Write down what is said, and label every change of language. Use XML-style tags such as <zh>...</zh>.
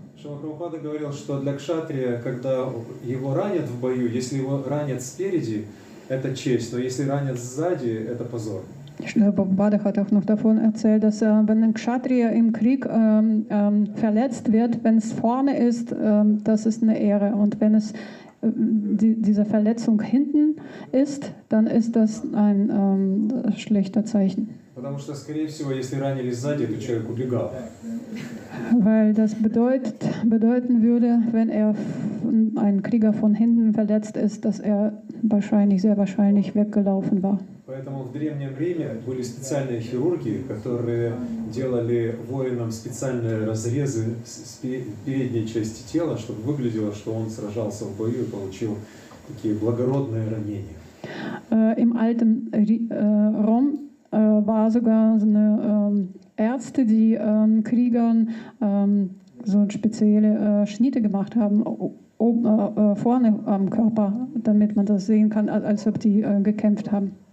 <ru>Шрила Прабхупада говорил, что для кшатрия, когда его ранят в бою, если его ранят спереди, это честь, но если ранят сзади, это позор.</ru> <de>Шрила Прабхупада hat auch noch davon erzählt, dass wenn ein Kshatriya im Krieg verletzt wird, wenn es vorne ist, das ist eine Ehre. Und wenn es diese Verletzung hinten ist, dann ist das ein schlechter Zeichen.</de> <ru>Потому что, скорее всего, если ранили сзади, то человек убегал.</ru> <de>Weil das bedeuten würde, wenn ein Krieger von hinten verletzt ist, dass sehr wahrscheinlich weggelaufen war.</de> <ru>Поэтому в древнем Риме были специальные хирурги, которые делали воинам специальные разрезы с передней части тела, чтобы выглядело, что он сражался в бою и получил такие благородные ранения.</ru> <de>Im alten Rom war sogar eine Ärzte, die Kriegern so spezielle Schnitte gemacht haben, vorne am Körper, damit man das sehen kann, als ob die gekämpft haben.</de>